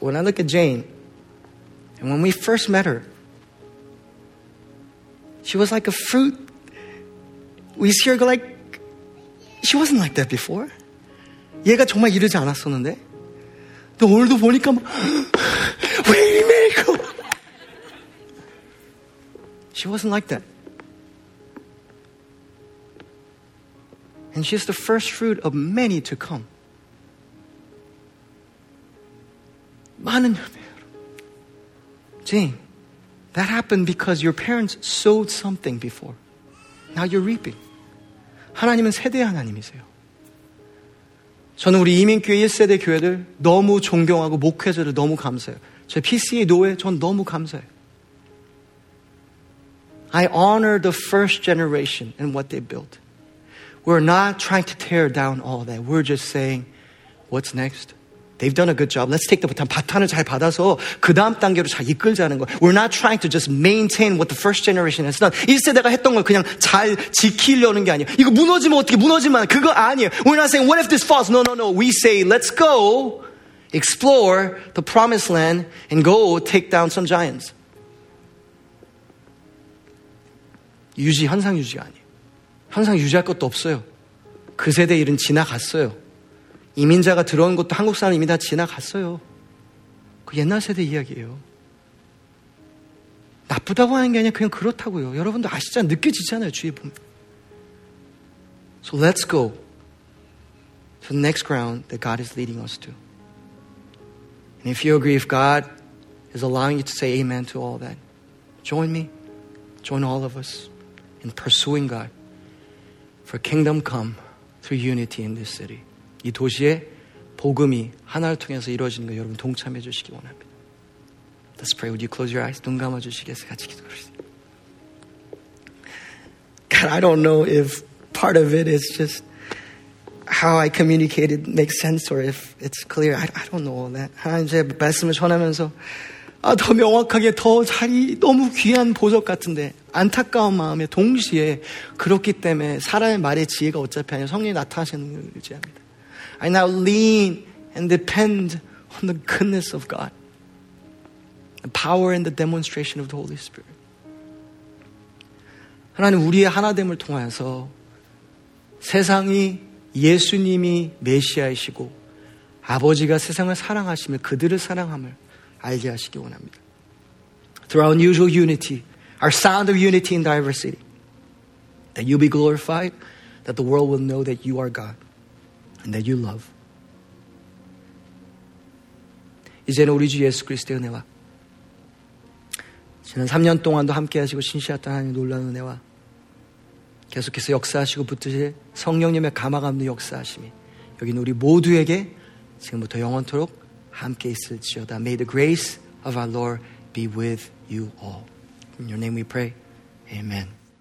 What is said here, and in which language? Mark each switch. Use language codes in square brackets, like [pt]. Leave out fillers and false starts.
[en] When I look at Jane, and when we first met her, she was like a fruit. We see her go like, she wasn't like that before. [ko] 얘가 정말 이러지 않았었는데. 근데 오늘도 보니까 막, 왜 이리 메이크? [en] She wasn't like that. And she's the first fruit of many to come. [ko] 많은 [en] Jane, that happened because your parents sowed something before. Now you're reaping. [ko] 하나님은 세대 하나님이세요. 저는 우리 이민교회 1세대 교회들 너무 존경하고 목회자들 너무 감사해요. 제 PCA 노회 전 너무 감사해요. [en] I honor the first generation and what they built. We're not trying to tear down all that. We're just saying, what's next? They've done a good job. Let's take the baton. [ko] 바탄을 잘 받아서 그 다음 단계로 잘 이끌자는 거. [en] We're not trying to just maintain what the first generation has done. [ko] 1세대가 했던 걸 그냥 잘 지키려는 게 아니에요. 이거 무너지면 어떻게 무너지면 그거 아니에요. [en] We're not saying, what if this falls? No, no, no. We say, let's go explore the promised land and go take down some giants. [ko] 유지, 현상 유지가 아니에요. 현상 유지할 것도 없어요. 그 세대 일은 지나갔어요. 이민자가 들어온 것도 한국 사람 이미 다 지나갔어요. 그 옛날 세대 이야기예요. 나쁘다고 하는 게 아니라 그냥 그렇다고요. 여러분도 아시잖아요. 느껴지잖아요. 주위에 보면. [en] So let's go to the next ground that God is leading us to. And if you agree, if God is allowing you to say amen to all that, join me, join all of us in pursuing God for kingdom come through unity in this city. [ko] 이 도시에 복음이 하나를 통해서 이루어지는 거 여러분 동참해 주시기 원합니다. [en] Let's pray. Would you close your eyes? [ko] 눈 감아 주시겠어요? 같이 기도하시죠. [en] God, I don't know if part of it is just how I communicated makes sense or if it's clear. I don't know all that. [ko] 하나님 제 말씀을 전하면서 아, 더 명확하게 더 자리 너무 귀한 보석 같은데 안타까운 마음에 동시에 그렇기 때문에 사람의 말의 지혜가 어차피 아니라 성령이 나타나시는 걸 의지합니다. [en] I now lean and depend on the goodness of God, the power and the demonstration of the Holy Spirit. [ko] 하나님, 우리의 하나됨을 통해서 세상이 예수님이 메시아이시고 아버지가 세상을 사랑하시며 그들을 사랑함을 알게 하시기 원합니다. [en] Through our unusual unity, our sound of unity and diversity, that you'll be glorified, that the world will know that you are God and that you love. [ko] 이제는 우리 주 예수 그리스도의 은혜와 지난 3년 동안도 함께 하시고 신실했던 하나님의 놀라운 은혜와 계속해서 역사하시고 붙드실 성령님의 감화감도 역사하심이 여긴 우리 모두에게 지금부터 영원토록 함께 있을지어다. [en] May the grace of our Lord be with you all. In your name we pray. Amen.